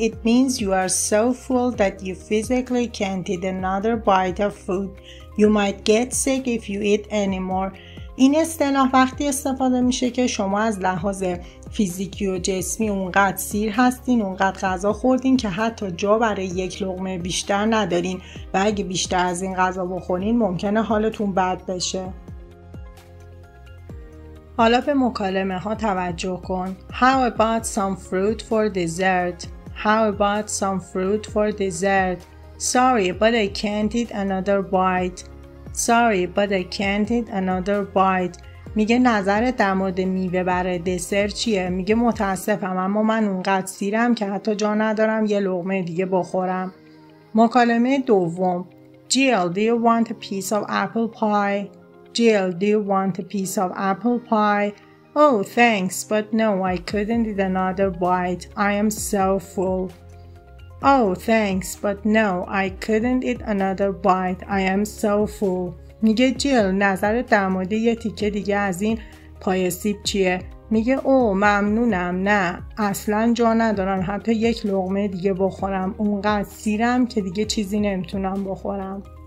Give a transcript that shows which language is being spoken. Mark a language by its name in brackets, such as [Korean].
[English] It means you are so full that you physically can't eat another bite of food. You might get sick if you eat anymore. [Persian] این اصطلاح وقتی استفاده میشه که شما از لحاظ فیزیکی و جسمی اونقدر سیر هستین، اونقدر غذا خوردین که حتی جا برای یک لقمه بیشتر ندارین و اگه بیشتر از این غذا بخورین ممکنه حالتون بد بشه. حالا به مکالمه ها توجه کن. [English] How about some fruit for dessert? How about some fruit for dessert? Sorry, but I can't eat another bite. Sorry, but I can't eat another bite. [Persian] میگه نظرت در مورد میوه برای دسر چیه؟ میگه متاسفم اما من اونقدر سیرم که حتی جا ندارم یه لقمه دیگه بخورم. مکالمه دوم. [English] Jill, do you want a piece of apple pie? Jill, do you want a piece of apple pie? Oh, thanks, but no, I couldn't eat another bite. I am so full. Oh, thanks, but no, I couldn't eat another bite. I am so full. [Persian] میگه جیل، نظر در مورد یه تیکه دیگه از این پای سیب چیه؟ میگه او ممنونم، نه اصلا جا ندارم حتی یک لقمه دیگه بخورم، اونقدر سیرم که دیگه چیزی نمیتونم بخورم.